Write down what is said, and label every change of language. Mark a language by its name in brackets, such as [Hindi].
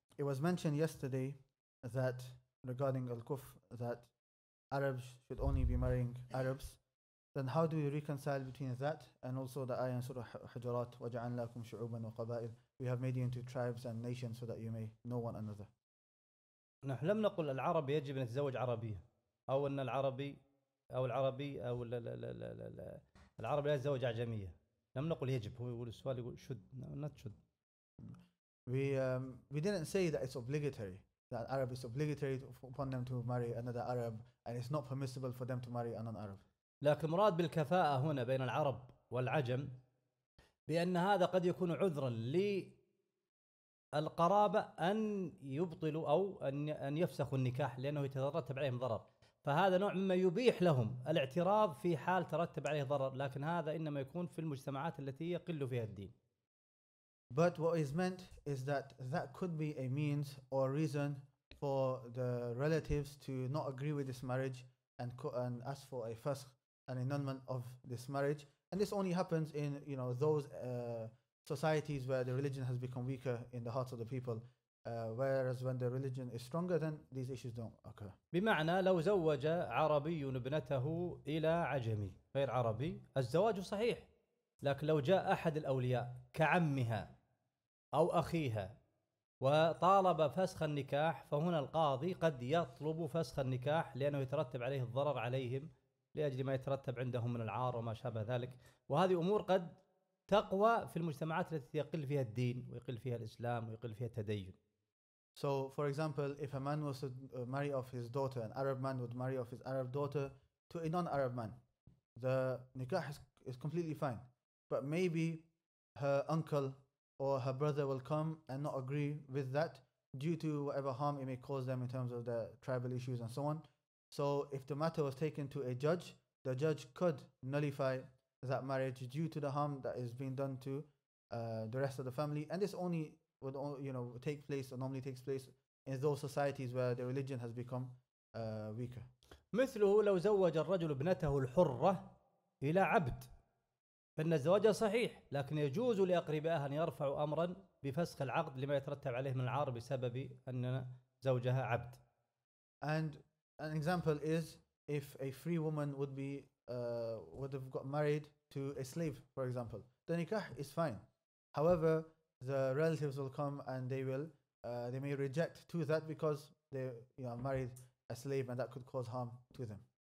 [English] It was mentioned yesterday that regarding al-kuf that Arabs should only be marrying Arabs. Then how do we reconcile between that and also the ayah in Surah Hujurat, [Arabic] وَجَعَلْنَا لَكُمْ شُعُوبًا وَقَبَائِلَ, [English] we have made you into tribes and nations so that you may know one another. [Arabic] نحن لم نقل العربي يجب أن يتزوج عربية أو أن العربي أو العربي أو لا لا لا لا لا لا العربي لا يتزوج عجمية. لم نقل يجب. هو السؤال يقول [English] should not should. We didn't say that it's obligatory, that Arab is obligatory upon them to marry another Arab, and it's not permissible for them to marry a non-Arab. [Arabic] لكن مراد بالكفاءة هنا بين العرب والعجم بأن هذا قد يكون عذرا للقرابة أن يبطلوا أو أن يفسخوا النكاح لأنه يترتب عليهم ضرر. فهذا نوع مما يبيح لهم الاعتراض في حال ترتب عليه ضرر, لكن هذا إنما يكون في المجتمعات التي يقل فيها الدين. [English] But what is meant is that that could be a means or reason for the relatives to not agree with this marriage and ask for a fasq, an annulment of this marriage. And this only happens in, you know, those societies where the religion has become weaker in the hearts of the people. Whereas when the religion is stronger, then these issues don't occur. [Arabic] بمعنى لو زوج عربي ابنته إلى عجمي غير عربي الزواج صحيح, لكن لو جاء أحد الأولياء كعمها أو أخيها وطالب فسخ النكاح فهنا القاضي قد يطلب فسخ النكاح لأنه يترتب عليه الضرر عليهم لأجل ما يترتب عندهم من العار وما شابه ذلك. وهذه أمور قد تقوى في المجتمعات التي يقل فيها الدين ويقل فيها الإسلام ويقل فيها التدين. [English] So for example, if a man was to marry off his daughter, an Arab man would marry off his Arab daughter to a non-Arab man, the nikah is completely fine, but maybe her uncle or her brother will come and not agree with that due to whatever harm it may cause them in terms of the tribal issues and so on. So if the matter was taken to a judge, the judge could nullify that marriage due to the harm that is being done to the rest of the family. And this only would, you know, take place or normally takes place in those societies where the religion has become weaker. [Arabic] مثله لو زوج الرجل ابنته الحرة إلى عبد فإن الزواج صحيح, لكن يجوز لأقربائها أن يرفعوا أمرا بفسخ العقد لما يترتب عليه من العار بسبب أن زوجها عبد. [English] And an example is if a free woman would be would have got married to a slave, for example, the nikah is fine. However, the relatives will come and they may reject to that because they, you know, married a slave and that could cause harm to them.